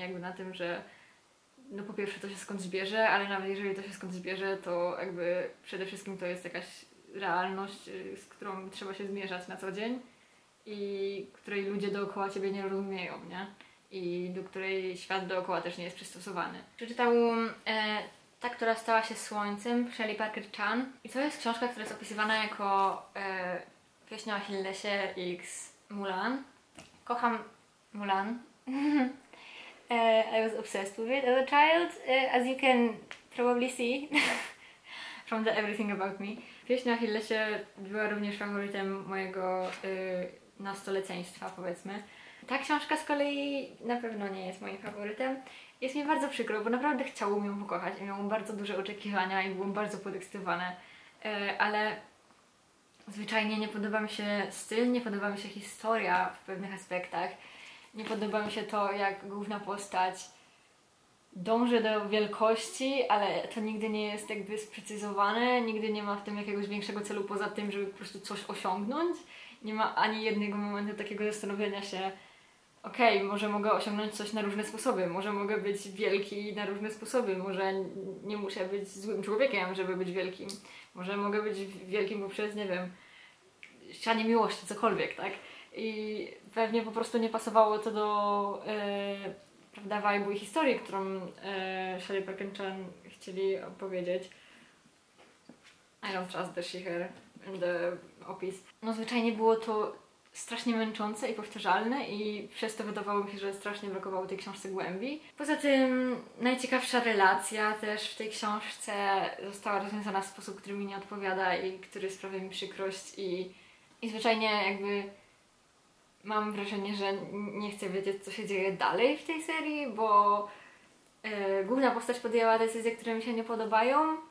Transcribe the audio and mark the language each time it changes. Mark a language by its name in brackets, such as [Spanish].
[Polish] Jakby na tym, że no po pierwsze to się skąd zbierze, ale nawet jeżeli to się skąd zbierze, to jakby przede wszystkim to jest jakaś realność, z którą trzeba się zmierzać na co dzień i której ludzie dookoła ciebie nie rozumieją, nie? I do której świat dookoła też nie jest przystosowany. Przeczytałam Ta, która stała się słońcem, Shelley Parker Chan. I to jest książka, która jest opisywana jako pieśń o Achillesie x Mulan. Kocham Mulan. [English] I was obsessed with it as a child, as you can probably see from the everything about me. [Polish] Pieśń o Achillesie była również faworytem mojego nastoleceństwa, powiedzmy. Ta książka z kolei na pewno nie jest moim faworytem. Jest mi bardzo przykro, bo naprawdę chciałam ją pokochać i miałam bardzo duże oczekiwania i byłam bardzo podekscytowana. Ale zwyczajnie nie podoba mi się styl, nie podoba mi się historia w pewnych aspektach. Nie podoba mi się to, jak główna postać dąży do wielkości, ale to nigdy nie jest jakby sprecyzowane. Nigdy nie ma w tym jakiegoś większego celu poza tym, żeby po prostu coś osiągnąć. Nie ma ani jednego momentu takiego zastanowienia się, okej, okay, może mogę osiągnąć coś na różne sposoby, może mogę być wielki na różne sposoby, może nie muszę być złym człowiekiem, żeby być wielkim. Może mogę być wielkim poprzez, nie wiem, sianie miłości, cokolwiek, tak? I pewnie po prostu nie pasowało to do prawda, vibe'u i historii, którą Shelley Parker Chan chcieli opowiedzieć. [English] I don't trust the shiher in the opis. [Polish] No zwyczajnie było to strasznie męczące i powtarzalne i przez to wydawało mi się, że strasznie brakowało tej książce głębi. Poza tym najciekawsza relacja też w tej książce została rozwiązana w sposób, który mi nie odpowiada i który sprawia mi przykrość i zwyczajnie jakby mam wrażenie, że nie chcę wiedzieć, co się dzieje dalej w tej serii, bo główna postać podjęła decyzje, które mi się nie podobają.